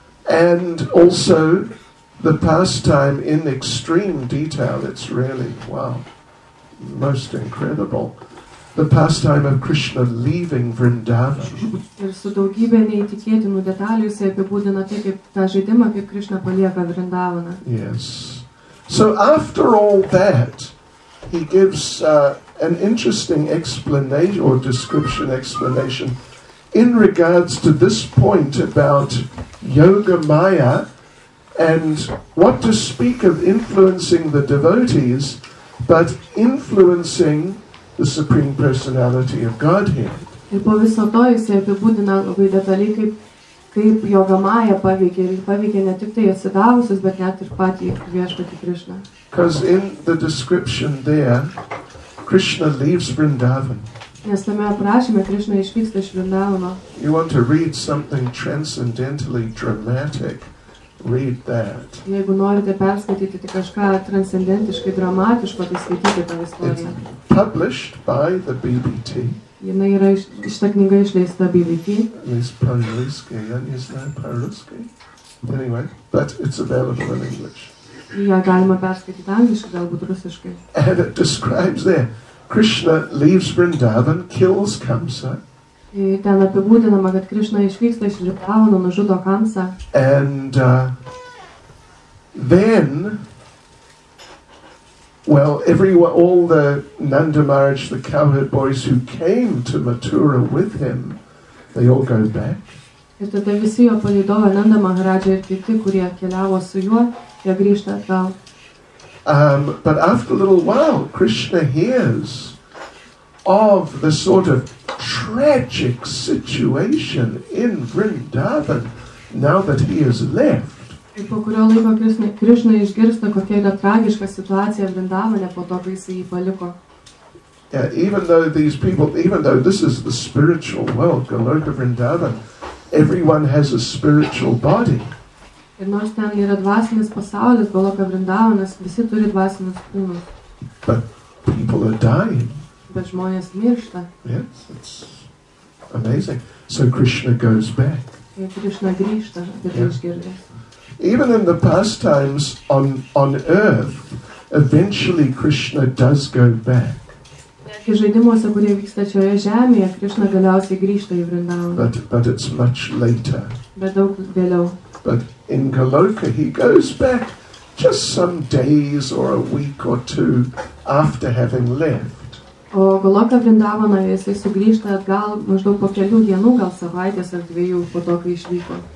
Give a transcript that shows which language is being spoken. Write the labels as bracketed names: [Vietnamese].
[English] And also the pastime in extreme detail, it's really, wow, most incredible. The pastime of Krishna leaving Vrindavan. [Lithuanian] Ir su daugybė neįtikėtinų detalių jisai apibūdina tai, kaip tą žaidimą, kaip Krishna palieka Vrindavaną. [English] Yes. So after all that, he gives an interesting explanation or description explanation in regards to this point about yoga maya and what to speak of influencing the devotees, but influencing the Supreme Personality of Godhead. [Lithuanian] Ir po viso to jis apibūdina labai detaliai, kaip yoga maya paveikė ir paveikė ne tik tai atsidavusius, bet net ir patį viešpatį Krishna. [English] Because in the description there, Krishna leaves Vrindavan. [Lithuanian] Nes tame aprašyme Krishna išvyksta iš Vrindavano. [English] You want to read something transcendentally dramatic, read that. [Lithuanian] Jeigu norite perskaityti tai kažką transcendentiškai dramatiško, tai skaitykite tą istoriją. [English] It's published by the BBT. [Lithuanian] Jinai yra šita knyga išleista BBT. [English] It's Paruski, is that Paruski? Anyway, but it's available in English. [Lithuanian] Ja, galima perskaityti angliškai, galbūt rusiškai. [English] And it describes there, Krishna leaves Vrindavan, kills Kamsa. [Lithuanian] Ten apibūdinama, kad Krishna išvyksta iš Vrindavano, nužudo Kamsa. [English] And then, well, everyone, all the Nanda Maharaj, the cowherd boys who came to Mathura with him, they all go back. [Lithuanian] Ir tada visi jo palydovai, Nanda Maharaj ir kiti, kurie keliavo su juo, jie grįžta atgal. [English] But after a little while, Krishna hears of the sort of tragic situation in Vrindavan now that he has left. [Lithuanian] Ir po kurio laiko Krishna išgirsta, kokia yra tragiška situacija Vrindavane po to, kai jis jį paliko. [English] Yeah, even though these people, even though this is the spiritual world, Goloka Vrindavan, everyone has a spiritual body. [Lithuanian] Ir nors ten yra dvasinis pasaulis, Goloka Vrindavanas, visi turi dvasinius kūnus. [English] But people are dying. [Lithuanian] Bet žmonės miršta. [English] Yes, it's amazing. So Krishna goes back. [Lithuanian] Ir Krishna grįžta, ir [English] yes. [Lithuanian] Išgirdęs. [English] Even in the pastimes on earth, eventually Krishna does go back. [Lithuanian] Ir žaidimuose, kurie vyksta šioje žemėje, Krishna galiausiai grįžta į Vrindavaną. [English] But it's much later. [Lithuanian] Bet daug vėliau. [English] But in Goloka he goes back just some days or a week or two after having left. [Lithuanian] O Goloka Vrindavana jisai sugrįžta atgal maždaug po kelių dienų, gal savaitės ar dviejų po to, kai išvyko.